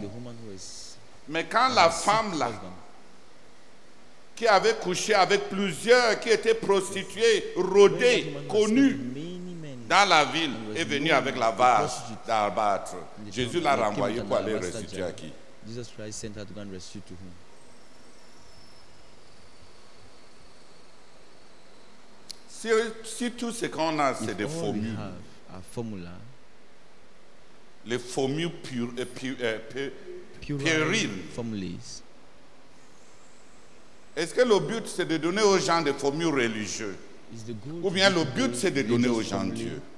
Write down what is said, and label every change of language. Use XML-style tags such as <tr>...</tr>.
<en>The woman who is,</en> <fr>mais quand la femme là, qui avait couché avec plusieurs, qui étaient prostituées, rodées, connues dans la ville, est venu avec la vase d'albâtre. Jésus l'a renvoyé pour aller restituer à qui?</fr> <en>Jesus Christ sent her to go and restitute to whom?</en> <fr>Si tout ce qu'on a, c'est des formules.</fr> <en>A formula,</en> <fr>les formules périles. Est-ce que le but c'est de donner aux gens des formules religieuses? Ou bien le but c'est de donner aux gens Dieu?</fr>